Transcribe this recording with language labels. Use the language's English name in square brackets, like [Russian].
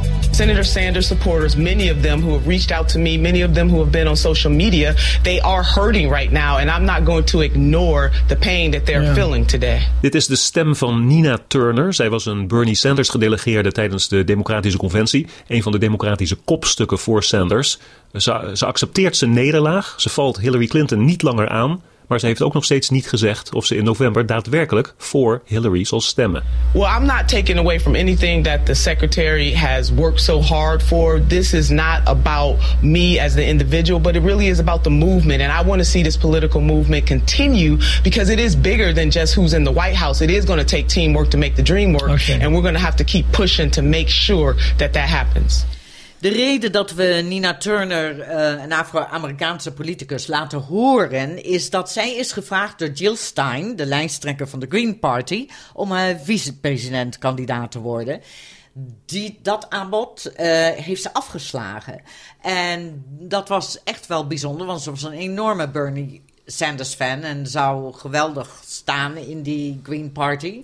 [English] Senator Sanders supporters, many of them who have reached out to me, many of them who have been on social media, they are hurting right now. And I'm not going to ignore the pain that they're feeling today. [Dutch] Dit is de stem van Nina Turner. Zij was een Bernie Sanders gedelegeerde tijdens de Democratische Conventie. Een van de democratische kopstukken voor Sanders. Ze accepteert zijn nederlaag. Ze valt Hillary Clinton niet langer aan. Maar ze heeft ook nog steeds niet gezegd of ze in november daadwerkelijk voor Hillary zal stemmen. [English] Well, I'm not taking away from anything that the secretary has worked so hard for. This is not about me as the individual, but it really is about the movement. And I want to see this political movement continue because it is bigger than just who's in the White House. It is going to take teamwork to make the dream work. Okay. And we're going to have to keep pushing to make sure that that happens. [Dutch] De reden dat we Nina Turner, een Afro-Amerikaanse politicus, laten horen, is dat zij is gevraagd door Jill Stein, de lijsttrekker van de Green Party, om vicepresidentkandidaat te worden. Dat aanbod heeft ze afgeslagen. En dat was echt wel bijzonder, want ze was een enorme Bernie Sanders fan en zou geweldig staan in die Green Party.